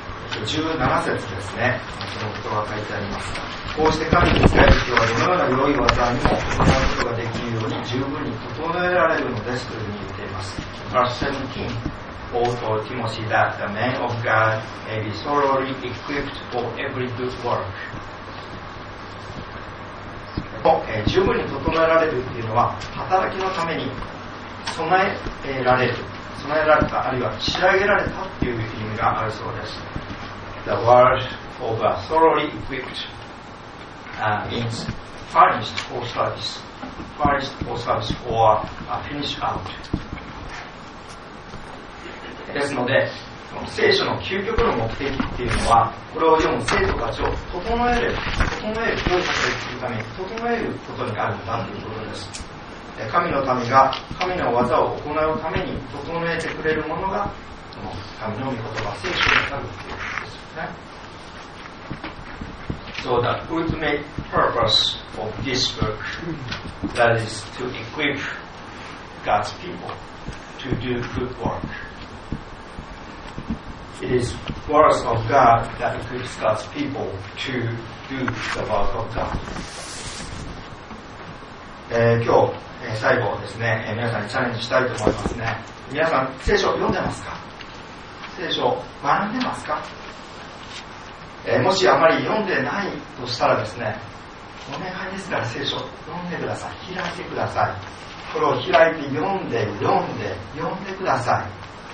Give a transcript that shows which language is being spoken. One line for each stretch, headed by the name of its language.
Japanese: 17節ですね。その言葉が書いてあります。こうして神に使える人はどのような良い技にも行うことができるように十分に整えられるのですというふうに言っています。
English: Verse 17 Paul told Timothy that the man of God may be thoroughly equipped for every good work.
Japanese: 十分に整えられるというのは働きのために備えられる、備えられた、あるいは仕上げられたという意味があるそうです。
English: The word of thoroughly equippedmeans furnished for service, furnished for service or finish out.
Japanese: ですので、この聖書の究極の目的っていうのは、これを読む生徒たちを整える、教育するために整えることにあるんだということです。神の民が神の技を行うために整えてくれるものが、この神の御言葉、聖書になるということですよね。
English: So the ultimate purpose of this book, that is to equip God's people to do good work. It is words of God that equips God's people to do the work of God.
Japanese: 今日、最後ですね、皆さんにチャレンジしたいと思いますね。皆さん、聖書読んでますか？聖書学んでますか？もしあまり読んでないとしたらですね、お願いですから聖書読んでください。開いてください。これを開いて読んでください。